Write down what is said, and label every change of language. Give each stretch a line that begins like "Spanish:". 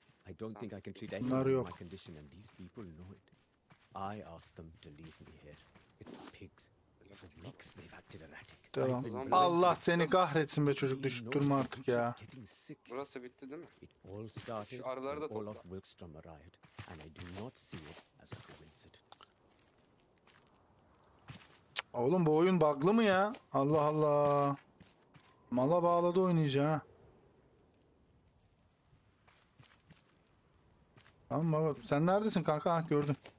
English: I don't think I can treat anyone in my condition and these people know it. I asked them to leave me here. It's the pigs. For weeks they've acted erratic.
Turkish: Tamam. Allah seni kahretsin be çocuk, düşüp durma artık ya. Burası bitti değil mi? Şu arıları da topla.
English: Olaf Wilkstrom arrived and I do not see it as a coincidence.
Turkish: Oğlum bu oyun bug'lı mı ya? Allah Allah. Mala bağladı oynayacağı. Ama sen neredesin kanka? Ah gördüm.